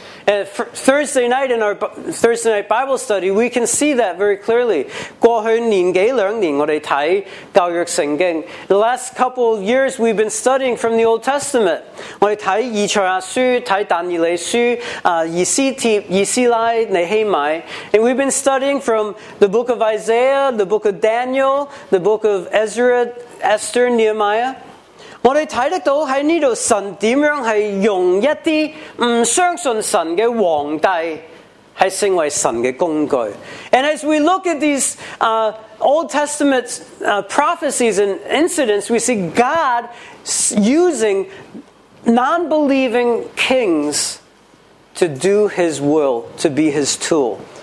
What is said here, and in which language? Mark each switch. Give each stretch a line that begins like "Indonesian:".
English: Thursday night Bible study, we can see that very clearly.
Chinese: 过去年几两年，我们看教育圣经。
English: The last couple of years, we've been studying from the Old Testament.
Chinese: 我们看以赛亚书，看但以理书，以斯帖，以斯拉，尼希米。
English: And we've been studying from the book of Isaiah, the book of Daniel, the book of Ezra, Esther, Nehemiah.
Chinese: 我们看得到在这里神怎样是用一些不相信神的皇帝是成为神的工具。
English: And as we look at these Old Testament prophecies and incidents, we see God using non-believing kings to do His will, to be His tool.